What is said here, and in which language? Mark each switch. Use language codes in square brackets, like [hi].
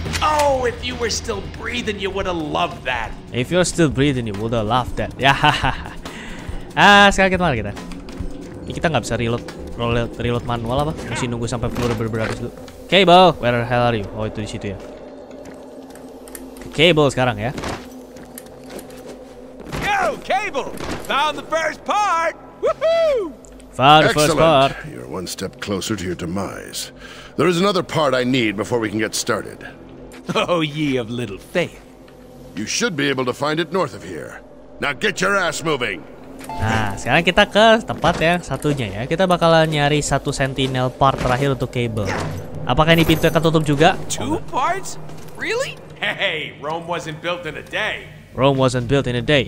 [en] Oh, if you were still breathing, you would have loved that. If you're still breathing, you would have loved that. [id] Ya, hahaha. Ah, sekarang kita mana kita? Ini kita nggak bisa reload manual apa? Mesti nunggu sampai peluru bener-bener habis dulu. [en] Cable, where the hell are you? [id] Oh, itu di situ ya. Cable sekarang ya. [en] Yo, Cable! Found the first part! Woohoo! Found the first part. Excellent. You're one step closer to your demise. There is another part I need before we can get started. Oh, ye of little faith. You should be able to find it north of here. Now get your ass moving! [id] Nah, sekarang kita ke tempat yang satunya ya. Kita bakalan nyari satu sentinel part terakhir untuk Cable. Apakah ini pintu akan tutup juga? [en] Two parts? Really? Hey, Rome wasn't built in a day. Rome wasn't built in a day.